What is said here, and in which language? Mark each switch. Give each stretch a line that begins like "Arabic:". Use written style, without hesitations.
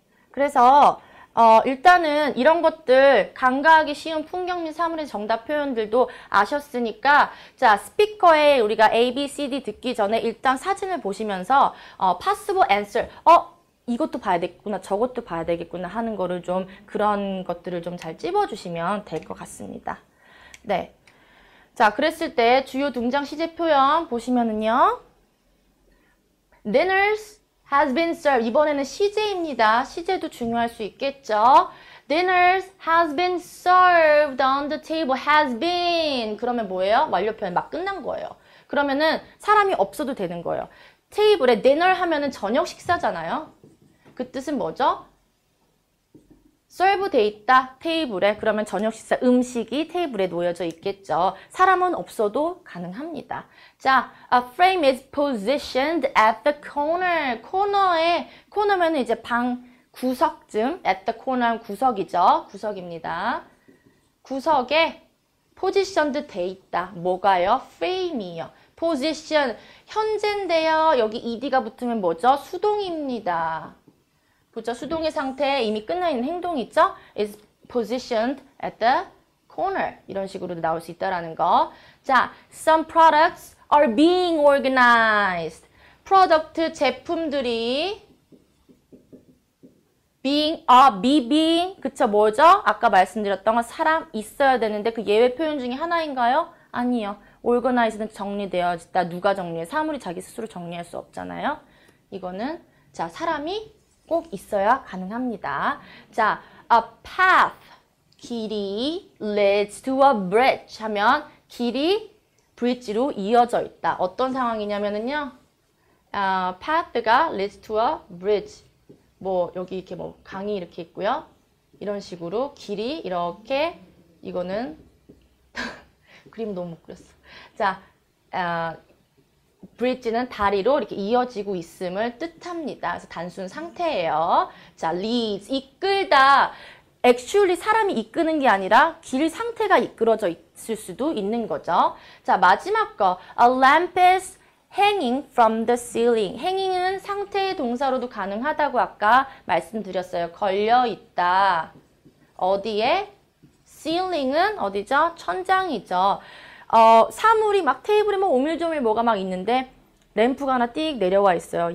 Korean: 그래서 일단은 이런 것들 간과하기 쉬운 풍경 및 사물의 정답 표현들도 아셨으니까 자 스피커에 우리가 A, B, C, D 듣기 전에 일단 사진을 보시면서
English: possible answer
Korean: 이것도 봐야 되겠구나 저것도 봐야 되겠구나 하는 거를 좀 그런 것들을 좀잘 찝어주시면 될것 같습니다. 네. 자 그랬을 때 주요 등장 시제 표현 보시면은요.
English: Dinners has been served.
Korean: 이번에는 시제입니다. 시제도 중요할 수 있겠죠.
English: Dinners has been served on the table. Has been.
Korean: 그러면 뭐예요? 완료 표현 막 끝난 거예요. 그러면은 사람이 없어도 되는 거예요. 테이블에 dinner 하면은 저녁 식사잖아요. 그 뜻은 뭐죠? serve 돼 있다. 테이블에. 그러면 저녁 식사 음식이 테이블에 놓여져 있겠죠. 사람은 없어도 가능합니다.
English: 자, a frame is positioned at the corner.
Korean: 코너에, 코너면 이제 방 구석쯤,
English: at the corner
Korean: 구석이죠. 구석입니다. 구석에 positioned 돼 있다. 뭐가요? frame이요. position. 현재인데요. 여기 ed가 붙으면 뭐죠? 수동입니다. 보죠. 수동의 상태에 이미 끝나 있는 행동이죠?
English: is positioned at the corner.
Korean: 이런 식으로도 나올 수 있다라는 거.
English: 자, some products are being organized.
Korean: product 제품들이 being, 그쵸, 뭐죠? 아까 말씀드렸던 건 사람 있어야 되는데 그 예외 표현 중에 하나인가요? 아니요. organized는 정리되어 있다. 누가 정리해? 사물이 자기 스스로 정리할 수 없잖아요. 이거는 자, 사람이 꼭 있어야 가능합니다. 자,
English: a path,
Korean: 길이
English: leads to a bridge
Korean: 하면 길이 브릿지로 이어져 있다. 어떤 상황이냐면요. path가
English: leads to a bridge.
Korean: 뭐 여기 이렇게 뭐 강이 이렇게 있고요. 이런 식으로 길이 이렇게 이거는 그림 너무 못 그렸어. 자, 브릿지는 다리로 이렇게 이어지고 있음을 뜻합니다. 그래서 단순 상태예요. 자, leads, 이끌다. actually 사람이 이끄는 게 아니라 길 상태가 이끌어져 있을 수도 있는 거죠. 자, 마지막 거.
English: A lamp is hanging from the ceiling.
Korean: hanging은 상태의 동사로도 가능하다고 아까 말씀드렸어요. 걸려 있다. 어디에? ceiling은 어디죠? 천장이죠. 사물이 막 테이블에 막 오밀조밀 뭐가 막 있는데 램프가 하나 띡 내려와 있어요.